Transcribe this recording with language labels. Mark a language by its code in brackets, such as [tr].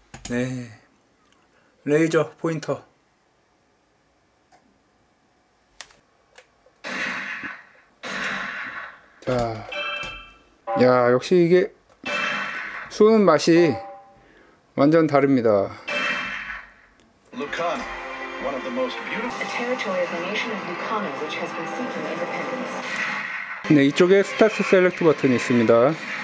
[ko] 네. 레이저 포인터. 자. 야, 역시 이게 쏘는 맛이 완전 다릅니다. [en] Lucan, one of the most beautiful territory of the nation of Lucana which has been seeking independence. [ko] 네, 이쪽에 스타트 셀렉트 버튼이 있습니다.